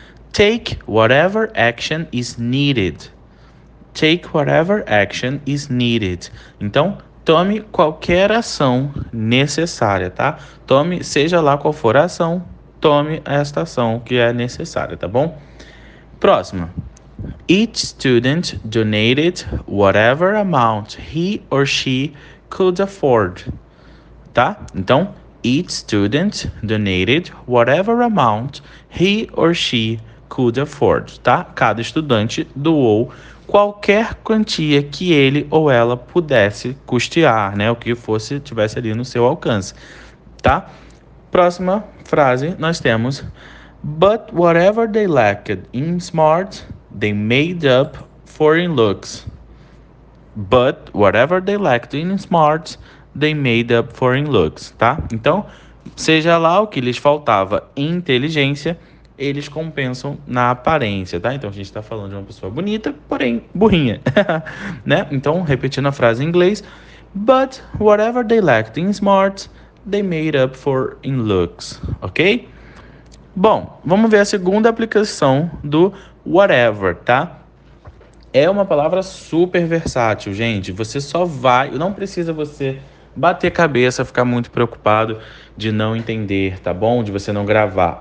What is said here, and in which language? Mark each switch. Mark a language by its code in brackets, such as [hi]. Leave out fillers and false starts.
[en] Take whatever action is needed. Take whatever action is needed. [pt] Então, tome qualquer ação necessária, tá? Tome, seja lá qual for a ação, tome esta ação que é necessária, tá bom? Próximo. [en] Each student donated whatever amount he or she could afford. [pt] Tá? Então, [en] each student donated whatever amount he or she could afford. [pt] Tá? Cada estudante doou qualquer quantia que ele ou ela pudesse custear, né? O que fosse, tivesse ali no seu alcance. Tá? Próxima frase, nós temos: [en] But whatever they lacked in smart. They made up for in looks. But whatever they lacked in smarts, they made up for in looks, [pt] tá? Então, seja lá o que lhes faltava em inteligência, eles compensam na aparência, tá? Então, a gente está falando de uma pessoa bonita, porém burrinha, né? Então, repetindo a frase em inglês. [en] But whatever they lacked in smarts, they made up for in looks, ok? [pt] Bom, vamos ver a segunda aplicação do whatever, tá? É uma palavra super versátil, gente. Você só vai, não precisa você bater cabeça, ficar muito preocupado de não entender, tá bom? De você não gravar.